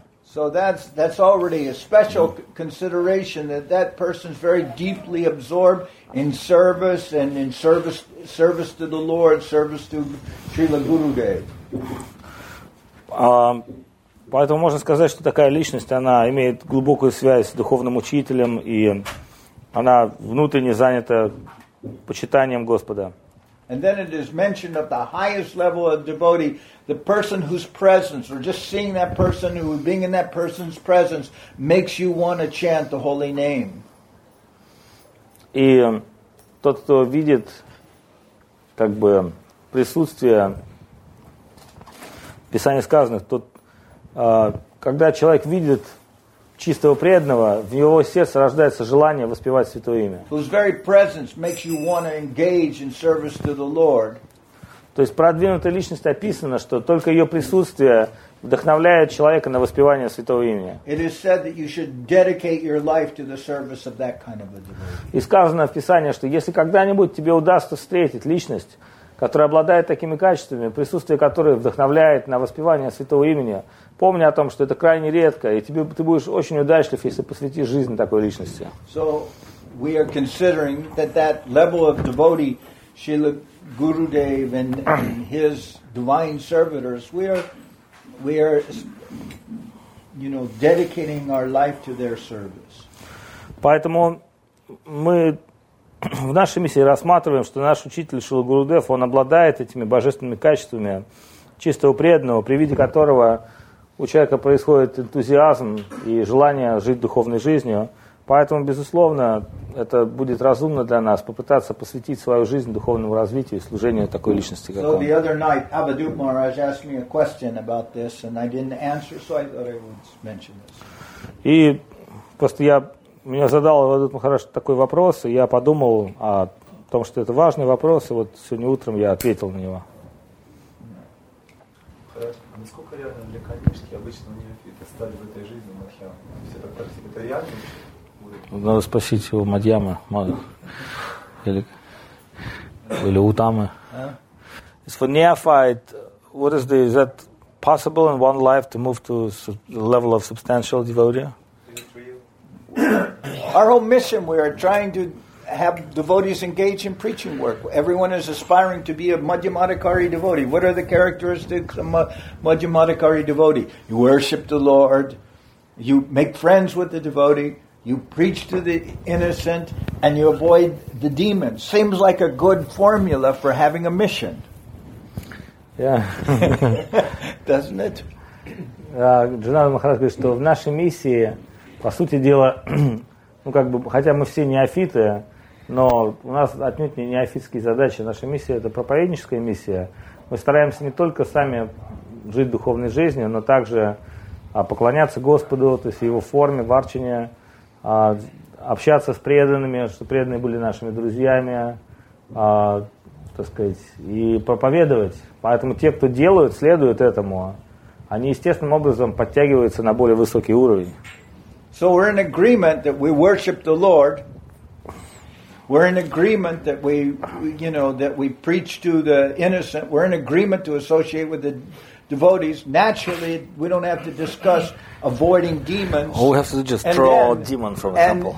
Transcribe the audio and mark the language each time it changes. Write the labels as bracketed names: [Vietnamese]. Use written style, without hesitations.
[English] So that's already a special consideration that that person is very deeply absorbed in service and in service to the Lord, service to Srila Gurudev. [Russian] Поэтому можно сказать, что такая личность, она имеет глубокую связь с духовным учителем, и она внутренне занята почитанием Господа. [English] And then it is mentioned of the highest level of devotee, the person whose presence, or just seeing that person, who being in that person's presence, makes you want to chant the holy name. [Russian] И тот, кто видит, как бы, присутствие, в Писании сказано, тот, когда человек видит чистого преданного, в его сердце рождается желание воспевать святое имя. [English] Whose very presence makes you want to engage in service to the Lord. [Russian] То есть продвинутая личность описана, что только ее присутствие вдохновляет человека на воспевание святого имени. [English] It is said that you should dedicate your life to the service of that kind of a devotee. [Russian] И сказано в Писании, что если когда-нибудь тебе удастся встретить личность, которая обладает такими качествами, присутствие которой вдохновляет на воспевание святого имени, помни о том, что это крайне редко, и тебе, ты будешь очень удачлив, если посвятишь жизнь такой личности. [English] So we are considering that that level of devotee, Srila Gurudev and his divine servitors, we are, you know, dedicating our life to their service. [Russian] Поэтому мы в нашей миссии рассматриваем, что наш учитель Шрила Гурудев, он обладает этими божественными качествами чистого преданного, при виде которого у человека происходит энтузиазм и желание жить духовной жизнью. Поэтому, безусловно, это будет разумно для нас попытаться посвятить свою жизнь духовному развитию и служению такой личности, как он. [English] So the other night, Avadhut Maharaj asked me a question about this, and I didn't answer, so I thought I would mention this. [Russian] И просто меня задал Авадут Махарадж такой вопрос, и я подумал о том, что это важный вопрос, и вот сегодня утром я ответил на него. Насколько реально для конечки обычно неофиты стали в этой жизни Мадхьяма? Все так практики, это реально? Надо спросить его Мадьяма, или Утамы. [English] It's for neophyte, what is the, is that possible in one life to move to the level of substantial devotee? Our whole mission, we are trying to have devotees engage in preaching work. Everyone is aspiring to be a Madhyamadikari devotee. What are the characteristics of a Madhyamadikari devotee? You worship the Lord, you make friends with the devotee, you preach to the innocent, and you avoid the demons. Seems like a good formula for having a mission. Yeah. Doesn't it? [Russian] Джанана Махарадж говорит, что в нашей миссии, по сути дела, ну как бы, хотя мы все неофиты, но у нас отнюдь не неофитские задачи. Наша миссия – это проповедническая миссия. Мы стараемся не только сами жить духовной жизнью, но также поклоняться Господу, то есть его форме, варчине, общаться с преданными, чтобы преданные были нашими друзьями, так сказать, и проповедовать. Поэтому те, кто делают, следуют этому, они естественным образом подтягиваются на более высокий уровень. [English] So we're in agreement that we worship the Lord. We're in agreement that we, you know, that we preach to the innocent. We're in agreement to associate with the devotees. Naturally, we don't have to discuss avoiding demons. Oh, we have to just throw out demons, for example.